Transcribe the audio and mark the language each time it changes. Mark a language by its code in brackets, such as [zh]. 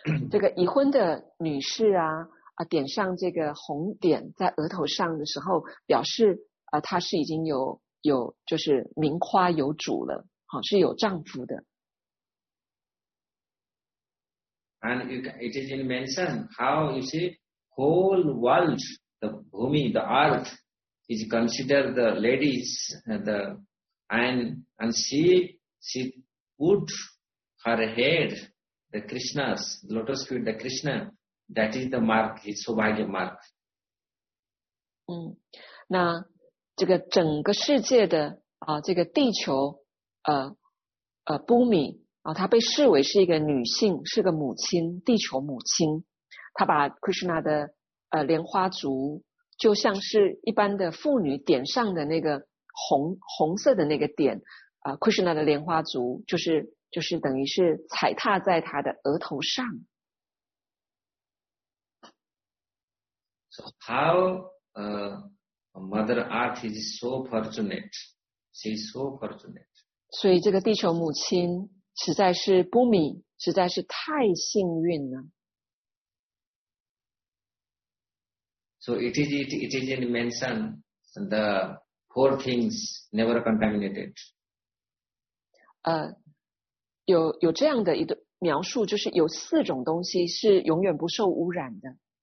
[zh] 这个已婚的女士点上这个红点在额头上的时候，表示她是已经有就是名花有主了，是有丈夫的。 [en] And it is mentioned how you see whole world, the bhumi, the earth is considered the ladies, and she put her head. The Krishna's, the lotus feet, the Krishna, that is the mark, his Subhagya mark. [zh] 那这个整个世界的这个地球Bhumi, 她被视为是一个女性，是个母亲，地球母亲。她把 Krishna 的莲花烛就像是一般的妇女点上的那个红色的那个点Krishna 的莲花烛就是等于是踩踏在他的额头上。 [en] So how Mother Earth is so fortunate. She is so fortunate. [zh] 所以这个地球母亲实在是 Bhumi 实在是太幸运了。 [en] So it is in mention the four things never contaminated. [zh] 有这样的一个描述，就是有四种东西是永远不受污染的。